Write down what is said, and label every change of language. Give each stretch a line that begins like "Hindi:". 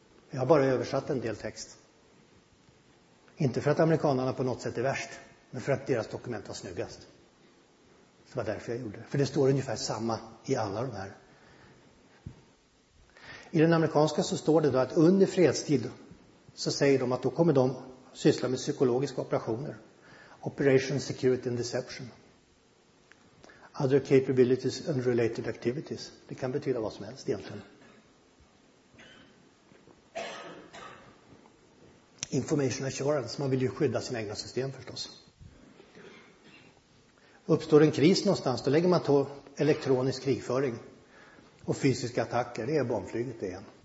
Swedish: Jag har bara översatt en del text. Inte för att amerikanerna på något sätt är värst, men för att deras dokument var snyggast. Det var därför jag gjorde det. För det står ungefär samma i alla de här. I den amerikanska så står det då att under fredstid så säger de att då kommer de syssla med psykologiska operationer.
English: Operation Security and Deception. Other capabilities and related activities.
Swedish: Det kan betyda vad som helst egentligen. Information assurance. Man vill ju skydda sina egna system förstås. Uppstår en kris någonstans, då lägger man på elektronisk krigföring och fysiska attacker. Det är bombflyget igen.